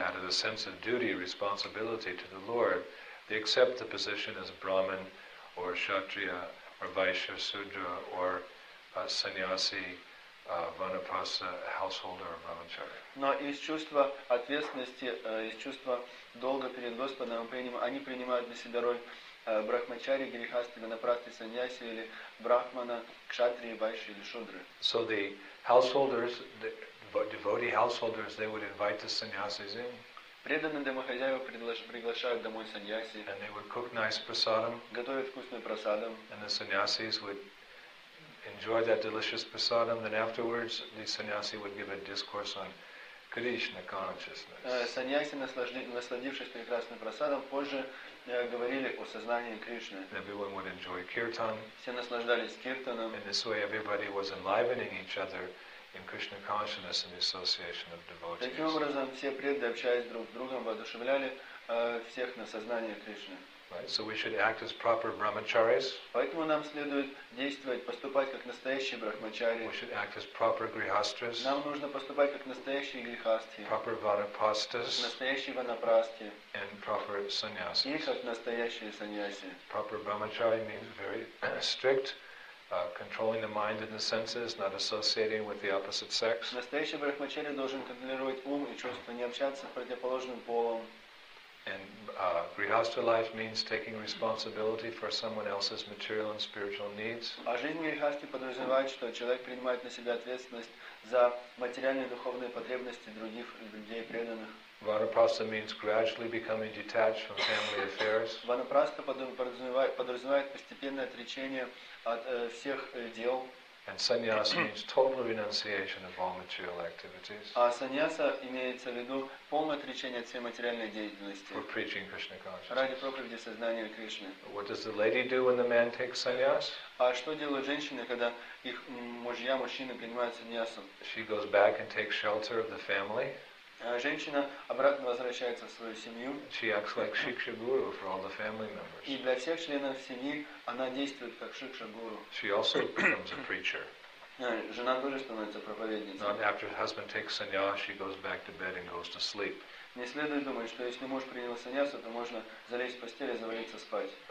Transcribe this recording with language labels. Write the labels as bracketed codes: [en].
[en] Out of the sense of duty, responsibility to the Lord, they accept the position as a Brahmin or Kshatriya or Vaishya Sudra or Sannyasi. Vanaprastha householder or brahmachari. [ru] Но из чувства ответственности, из чувства долга перед Господом, они принимают для себя роль брахмачари, грихасты, ванапрасты, саньяси или брахмана, кшатрии, вайши или шудры. [en] So the householders, the devotee householders, they would invite the sannyasis in. [ru] Преданные домохозяева приглашают домой саньяси. [en] And they would cook nice prasadam. [ru] Готовят вкусный прасадам. [en] And the sannyasis would enjoy that delicious prasadam, then afterwards the sannyasi would give a discourse on Krishna consciousness. [ru] Sannyasi, насладившись прекрасным прасадом, позже говорили о сознании Кришны. [en] Everyone would enjoy kirtan. [ru] Все наслаждались киртаном. [en] In this way, everybody was enlivening each other in Krishna consciousness and the association of devotees. [ru] Таким образом, все преданные, общаясь друг с другом, воодушевляли всех на сознание Кришны. [en] Right, so we should act as proper brahmacharis. [ru] Поэтому нам следует действовать, поступать как настоящие брахмачари. [en] We should act as proper grihastras. [ru] Нам нужно поступать как настоящие грихасты. [en] Proper vanaprastas. [ru] Настоящие ванапрасты. [en] And proper sannyasis. [ru] И как настоящие саньяси. [en] Proper brahmachari means very strict, controlling the mind and the senses, not associating with the opposite sex. [ru] Настоящий брахмачари должен контролировать ум и чувства, не общаться с противоположным полом. [en] And grihastha life means taking responsibility for someone else's material and spiritual needs. [ru] А жизнь грихасты подразумевает, что человек принимает на себя ответственность за материальные и духовные потребности других людей преданных. [en] Vanaprastha means gradually becoming detached from family affairs. [ru] Vanaprastha подразумевает постепенное отречение от всех дел. [en] And sannyas means total renunciation of all material activities. [ru] А саньяса имеется в виду полное отречение от всей материальной деятельности. [en] For preaching Krishna consciousness. [ru] Ради проповеди сознания Кришны. [en] What does the lady do when the man takes sannyas? [ru] А что делают женщины, когда их мужья, мужчины принимают саньясу? [en] She goes back and takes shelter of the family. [ru] Женщина обратно возвращается в свою семью. [en] She acts like Shiksha Guru for all the family members. [ru] И для всех членов семьи она действует как Шикша Гуру. [en] She also becomes a preacher. [ru] Жена тоже становится проповедницей. [en] Not after husband takes sannyas, she goes back to bed and goes to sleep. [ru] Не следует думать, что если муж принял саньясу, то можно залезть в постель и завалиться спать.